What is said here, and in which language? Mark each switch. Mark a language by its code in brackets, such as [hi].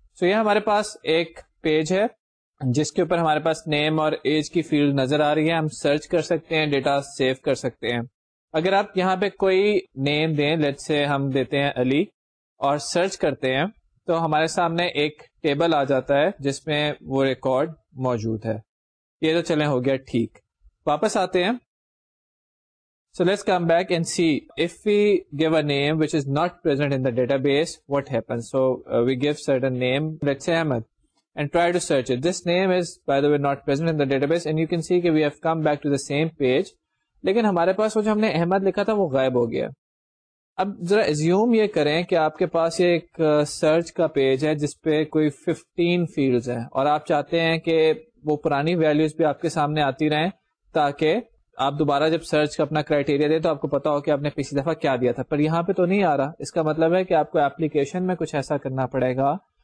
[ur] سو یہ ہمارے پاس ایک پیج ہے جس کے اوپر ہمارے پاس نیم اور ایج کی فیلڈ نظر آ رہی ہے, ہم سرچ کر سکتے ہیں, ڈیٹا سیو کر سکتے ہیں. اگر آپ یہاں پہ کوئی نیم دیں, لیٹ سے ہم دیتے ہیں علی, اور سرچ کرتے ہیں, تو ہمارے سامنے ایک ٹیبل آ جاتا ہے جس میں وہ ریکارڈ موجود ہے. یہ تو چلیں ہو گیا, ٹھیک, واپس آتے ہیں. [en] So let's come back and see if we give a name which is not present in the database what happens. So we give certain name, let say Ahmed, and try to search it. This name is, by the way, not present in the database, and you can see that we have come back to the same page. [ur] لیکن ہمارے پاس وہ جو ہم نے احمد لکھا تھا وہ غائب ہو گیا. اب ذرا ازیوم یہ کریں کہ آپ کے پاس یہ ایک سرچ کا پیج ہے جس پہ کوئی 15 فیلڈز ہیں, اور آپ چاہتے ہیں کہ وہ پرانی ویلیوز بھی آپ کے سامنے آتی رہیں تاکہ آپ دوبارہ جب سرچ کا اپنا کرائٹیریا دیں تو آپ کو پتا ہو کہ آپ نے پچھلی دفعہ کیا دیا تھا, پر یہاں پہ تو نہیں آ رہا. اس کا مطلب ہے کہ آپ کو اپلیکیشن میں کچھ ایسا کرنا پڑے گا,